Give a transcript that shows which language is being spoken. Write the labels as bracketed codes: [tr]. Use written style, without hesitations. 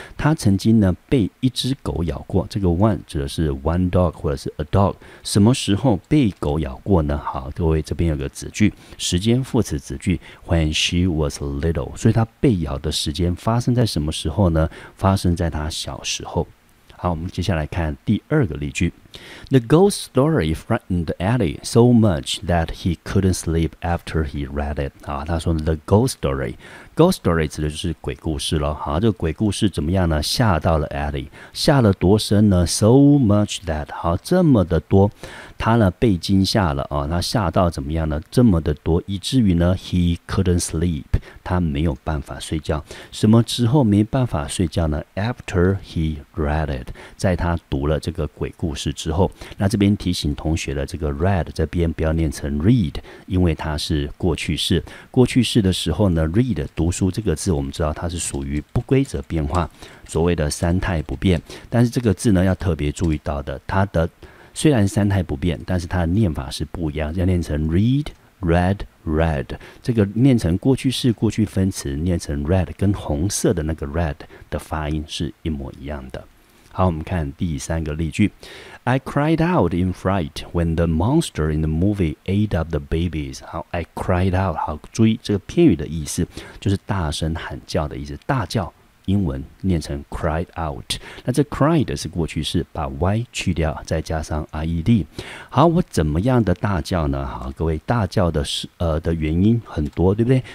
[zh] 它曾经呢被一只狗咬过，这个 one 指的是 one dog 或者是 a dog。什么时候被狗咬过呢？好，各位这边有个子句，时间副词子句 [en] when she was little， [zh] 所以它被咬的时间发生在什么时候呢？发生在它小时候。好，我们接下来看第二个例句。 [en] The ghost story frightened Eddie so much that he couldn't sleep after he read it。 [zh] 好，他说 The ghost story， ghost story 指的就是鬼故事了。好，这个鬼故事怎么样呢？吓到了 Eddie， 吓了多深呢？ [en] So much that， [zh] 好，这么的多，他呢被惊吓了，他吓到怎么样呢？这么的多，以至于呢 [en] he couldn't sleep， [zh] 他没有办法睡觉。什么之后没办法睡觉呢？ [en] After he read it， [zh] 在他读了这个鬼故事之后。那这边提醒同学的这个 read 这边不要念成 read， 因为它是过去式。过去式的时候呢 read 读书这个字我们知道它是属于不规则变化，所谓的三态不变。但是这个字呢要特别注意到的，它的虽然三态不变，但是它的念法是不一样，要念成 read read read， 这个念成过去式过去分词念成 red， 跟红色的那个 red 的发音是一模一样的。好，我们看第三个例句。 I cried out in fright when the monster in the movie ate up the babies。好， [en] I cried out， [zh] 好，注意这个片语的意思就是大声喊叫的意思，大叫英文念成 cried out， 那这 cried 是过去式，把 y 去掉，再加上 ied。好，我怎么样的大叫呢？好，各位，大叫的原因很多，对不对？